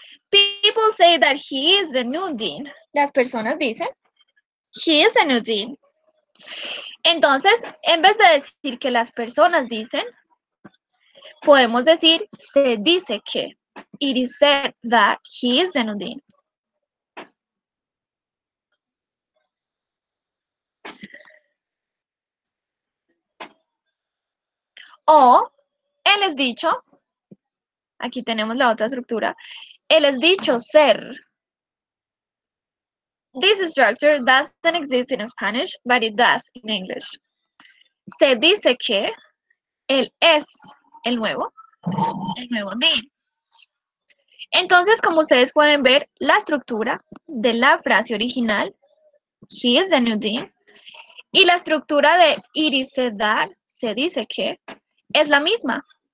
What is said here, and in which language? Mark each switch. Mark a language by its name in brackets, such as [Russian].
[English] People say that he is the new dean. [Spanish] Las personas dicen, [English] he is the new dean. [Spanish] Entonces, en vez de decir que las personas dicen, podemos decir, se dice que. [English] It is said that he is the new dean. [Spanish] O, él es dicho, aquí tenemos la otra estructura, él es dicho ser. [English] This structure doesn't exist in Spanish, but it does in English. [Spanish] Se dice que él es el nuevo dean. Entonces, como ustedes pueden ver, la estructura de la frase original, [English] he is the new dean, [Spanish] y la estructura de [English] it is said that, [Spanish] se dice que, es la misma.